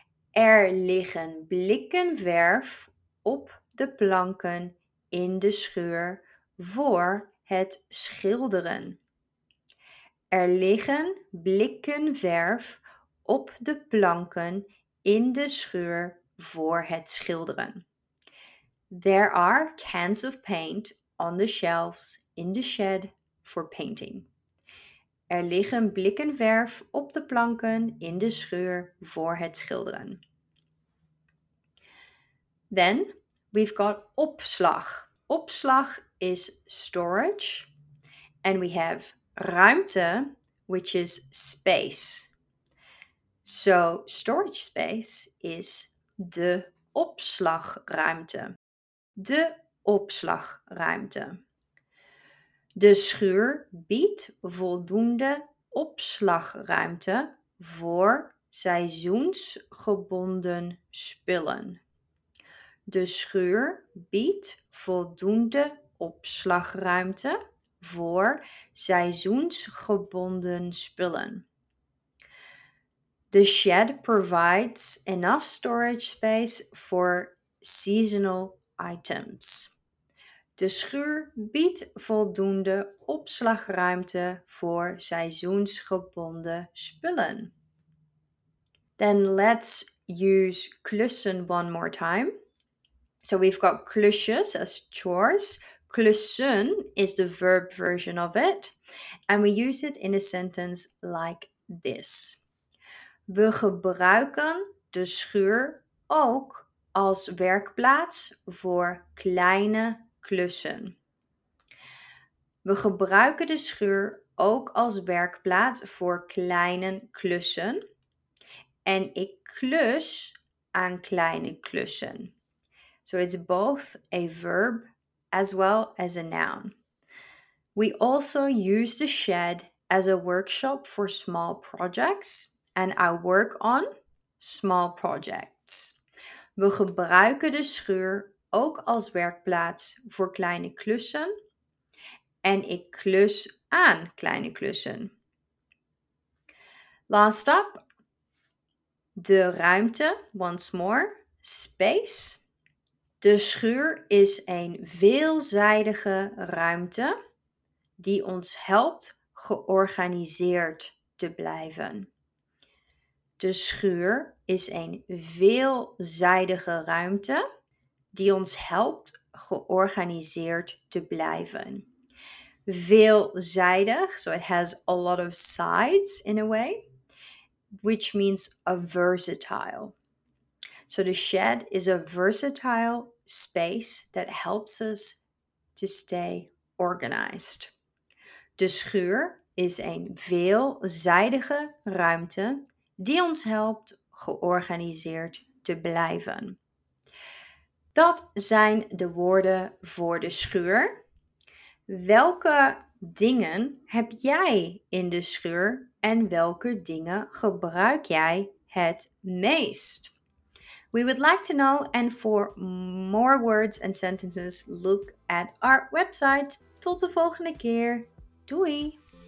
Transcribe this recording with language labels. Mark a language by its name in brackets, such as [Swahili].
[Dutch] Er liggen blikken verf op de planken in de schuur voor het schilderen. Er liggen blikken verf op de planken in de schuur voor het schilderen. [English] There are cans of paint on the shelves in the shed for painting. [Dutch] Er liggen blikken verf op de planken in de schuur voor het schilderen. [English] Then we've got opslag. Opslag is storage. And we have ruimte, which is space. So storage space is de opslagruimte. [Dutch] De opslagruimte. De schuur biedt voldoende opslagruimte voor seizoensgebonden spullen. De schuur biedt voldoende opslagruimte voor seizoensgebonden spullen. [English] The shed provides enough storage space for seasonal items. [Dutch] De schuur biedt voldoende opslagruimte voor seizoensgebonden spullen. [English] Then let's use klussen one more time. So we've got klusjes as chores. Klussen is the verb version of it. And we use it in a sentence like this. [Dutch] We gebruiken de schuur ook als werkplaats voor kleine klussen. We gebruiken de schuur ook als werkplaats voor kleine klussen. En ik klus aan kleine klussen. [English] So it's both a verb as well as a noun. We also use the shed as a workshop for small projects. And I work on small projects. [Dutch] We gebruiken de schuur ook als werkplaats voor kleine klussen. En ik klus aan kleine klussen. [English] Last up. De ruimte, once more, space. [Dutch] De schuur is een veelzijdige ruimte die ons helpt georganiseerd te blijven. De schuur is een veelzijdige ruimte die ons helpt georganiseerd te blijven. [English] Veelzijdig, so it has a lot of sides in a way, which means a versatile. So the shed is a versatile space that helps us to stay organized. [Dutch] De schuur is een veelzijdige ruimte die ons helpt georganiseerd te blijven. Dat zijn de woorden voor de schuur. Welke dingen heb jij in de schuur en welke dingen gebruik jij het meest? [English] We would like to know, and for more words and sentences, look at our website. [Dutch] Tot de volgende keer. Doei!